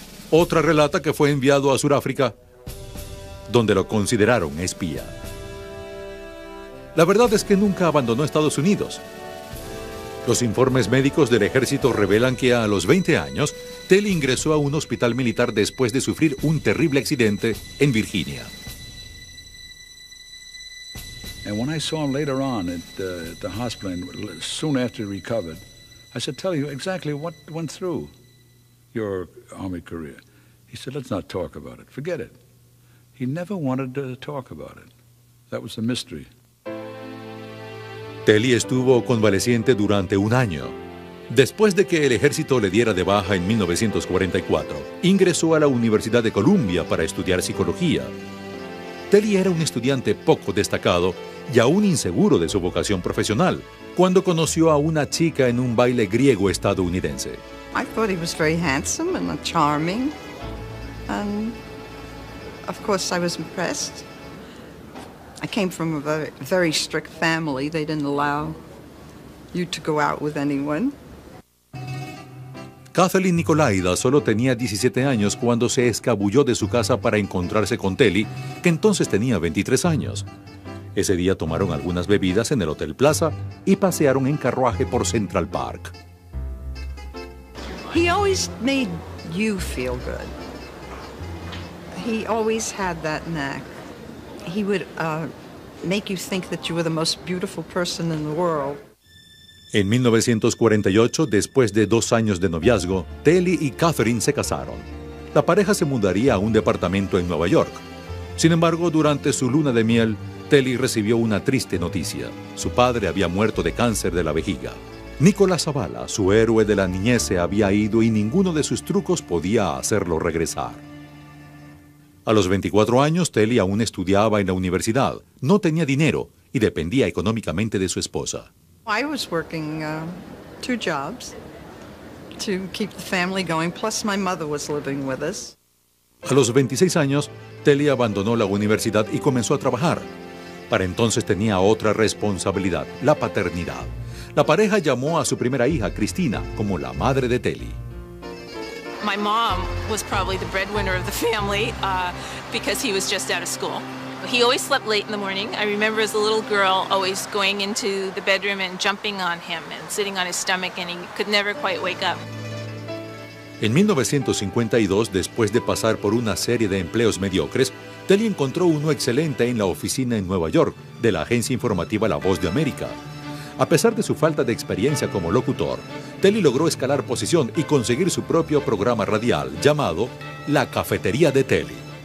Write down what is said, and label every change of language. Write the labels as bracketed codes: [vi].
[es] Otra relata que fue enviado a Sudáfrica, donde lo consideraron espía. La verdad es que nunca abandonó Estados Unidos. Los informes médicos del ejército revelan que a los 20 años, Telly ingresó a un hospital militar después de sufrir un terrible accidente en Virginia. [en] And when I saw him later on at the hospital, soon after he recovered, I said, "Tell you exactly what went through your army career." He said, "Let's not talk about it. Forget it." He never wanted to talk about it. That was the mystery. [es] Telly estuvo convaleciente durante un año. Después de que el ejército le diera de baja en 1944, ingresó a la Universidad de Columbia para estudiar psicología. Telly era un estudiante poco destacado y aún inseguro de su vocación profesional cuando conoció a una chica en un baile griego estadounidense. [en] I thought he was very handsome and charming, and of course I was impressed. I came from a very, very strict family. They didn't allow you to go out with anyone. [es] Kathleen Nikolaida solo tenía 17 años cuando se escabulló de su casa para encontrarse con Telly, que entonces tenía 23 años. Ese día tomaron algunas bebidas en el Hotel Plaza y pasearon en carruaje por Central Park. [en] He always made you feel good. He always had that knack. He would make you think that you were the most beautiful person in the world. [es] En 1948, después de 2 años de noviazgo, Telly y Catherine se casaron. La pareja se mudaría a un departamento en Nueva York. Sin embargo, durante su luna de miel, Telly recibió una triste noticia. Su padre había muerto de cáncer de la vejiga. Nicolás Zavala, su héroe de la niñez, se había ido y ninguno de sus trucos podía hacerlo regresar. A los 24 años, Telly aún estudiaba en la universidad, no tenía dinero y dependía económicamente de su esposa. [en] I was working two jobs to keep the family going, plus my mother was living with us. [es] A los 26 años, Telly abandonó la universidad y comenzó a trabajar. Para entonces tenía otra responsabilidad, la paternidad. La pareja llamó a su primera hija, Cristina, como la madre de Telly. [en] My mom was probably the breadwinner of the family because he was just out of school. He always slept late in the morning. I remember as a little girl always going into the bedroom and jumping on him and sitting on his stomach, and he could never quite wake up. [es] En 1952, después de pasar por una serie de empleos mediocres, Telly encontró uno excelente en la oficina en Nueva York de la agencia informativa La Voz de América. A pesar de su falta de experiencia como locutor, Telly logró escalar posición y conseguir su propio programa radial llamado La Cafetería de Telly.